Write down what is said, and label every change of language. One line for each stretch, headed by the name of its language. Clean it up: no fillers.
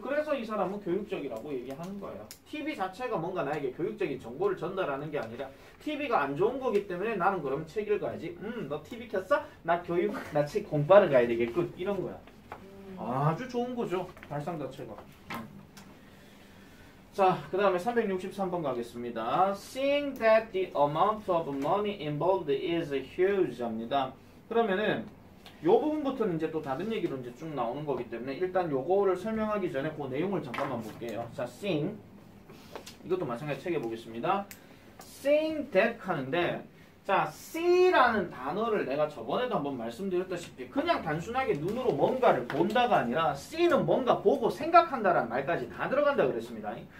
Korean: 그래서 이 사람은 교육적이라고 얘기하는 거예요. TV 자체가 뭔가 나에게 교육적인 정보를 전달하는 게 아니라 TV가 안 좋은 거기 때문에 나는 그럼 책 읽어야지. 너 TV 켰어? 나 교육, 나 책 공부하러 가야 되겠군. 이런 거야. 아주 좋은 거죠. 발상 자체가. 자, 그 다음에 363번 가겠습니다.
English: Seeing that the amount of money involved is huge
Korean: 합니다. 그러면은 요 부분부터는 이제 또 다른 얘기로 이제 쭉 나오는 거기 때문에 일단 요거를 설명하기 전에 그 내용을 잠깐만 볼게요. 자, sing. 이것도 마찬가지 책에 보겠습니다.
English: sing that
Korean: 하는데, 자, see라는 단어를 내가 저번에도 한번 말씀드렸다시피 그냥 단순하게 눈으로 뭔가를 본다가 아니라 see는 뭔가 보고 생각한다라는 말까지 다 들어간다 그랬습니다.